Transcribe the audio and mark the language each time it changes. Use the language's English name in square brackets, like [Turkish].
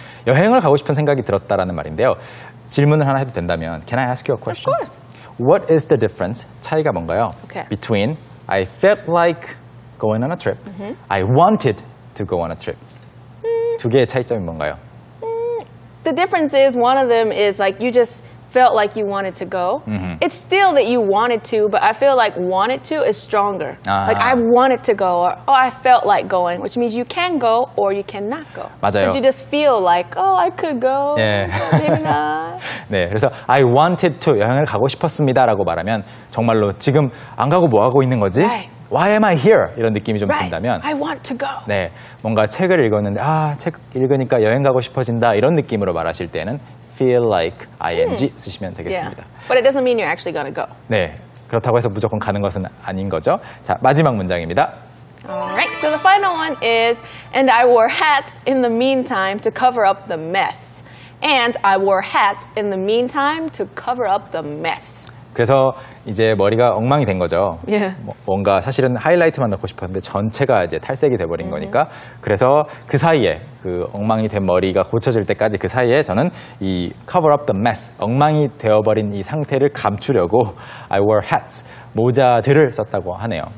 [Korean] 여행을 가고 싶은 생각이 들었다라는 말인데요. 질문을 하나 해도 된다면, [English] can I ask you a question? Of course. What is the difference, [Korean] 차이가 뭔가요? [English] Okay. Between I felt like going on a trip, mm-hmm. I wanted to go on a trip. Mm. [Korean] 두 개의 차이점이 뭔가요? [English] The difference is one of them is like you just felt like you wanted to go. Mm-hmm. It's still that you wanted to, but I feel like wanted to is stronger. Uh-huh. Like I wanted to go or oh, I felt like going, which means you can go or you cannot go. [Korean] 맞아요. [English] Because you just feel like, oh, I could go, [Korean] 네. [English] maybe not. [Korean] 네, 그래서 [English] I wanted to, [Korean] 여행을 가고 싶었습니다 라고 말하면 정말로 지금 안 가고 뭐 하고 있는 거지? [English] Right. Why am I here? [Korean] 이런 느낌이 좀 [English] right. [Korean] 든다면 [English] I want to go. [Korean] 네, 뭔가 책을 읽었는데 아, 책 읽으니까 여행 가고 싶어진다 이런 느낌으로 말하실 때는 [English] feel like ing [Korean] 쓰시면 되겠습니다. [English] Yeah. But it doesn't mean you're actually going to go. [Korean] 네, 그렇다고 해서 무조건 가는 것은 아닌 거죠. 자, 마지막 문장입니다. [English] Alright, so the final one is And I wore hats in the meantime to cover up the mess. And I wore hats in the meantime to cover up the mess. [Korean] 그래서 이제 머리가 엉망이 된 거죠. [English] Yeah. [Korean] 뭔가 사실은 하이라이트만 넣고 싶었는데 전체가 이제 탈색이 돼버린 mm-hmm. 거니까 그래서 그 사이에 그 엉망이 된 머리가 고쳐질 때까지 그 사이에 저는 이 [English] cover up the mess, [Korean] 엉망이 되어버린 이 상태를 감추려고 [English] I wore hats, [Korean] 모자들을 썼다고 하네요.